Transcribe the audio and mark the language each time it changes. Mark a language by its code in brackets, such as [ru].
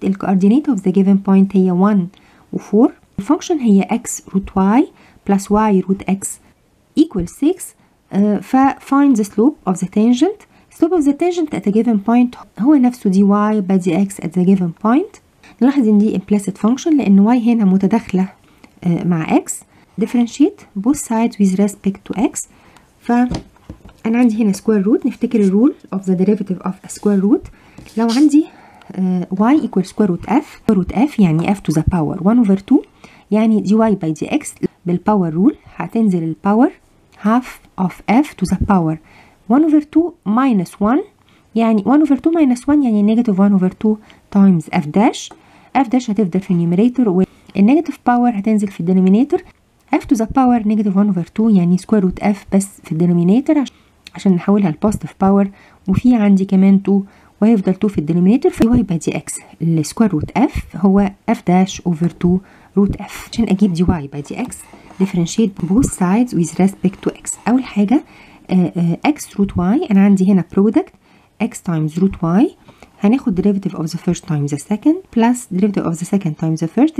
[en] The coordinate of the given point [ar] هي [en] 1 و 4. The function هي x root y plus y root x equals 6. Find the slope of the tangent. Slope of the tangent at a given point [ar] هو نفسه [en] dy by dx at the given point. [ar] نلاحظ ان دي [en] implicit function [ar] لان y هنا متداخلة مع x. [en] Differentiate both sides with respect to x. [ar] فأنا عندي هنا [en] square root. [ar] نفتكر [en] rule of the derivative of a square root. [ar] لو عندي [en] y equal square root f. Square root f [ar] يعني [en] f to the power 1 over 2. يعني dy by dx بالpower rule. [ar] هتنزل [en] الpower half of f to the power 1 over 2 minus 1. [ar] يعني [en] 1 over 2 minus 1 يعني negative 1 over 2 times f dash. F dash [ar] هتفضل في [en] numerator. والnegative power هتنزل في denominator. F to the power negative 1 over 2 [ar] يعني [en] square root f [ar] بس في [en] denominator [ar] عشان نحولها [en] positive power. [ar] وفي عندي كمان 2 وهيفضل 2 في [en] denominator. في y by dx square root f هو f dash over 2 root f. [ar] عشان اجيب [en] dy by dx differentiate both sides with respect to x. [ar] اول حاجة [en] x root y [ar] انا عندي هنا [en] product x times root y. [ar] هناخد [en] derivative of the first times the second plus derivative of the second times the first.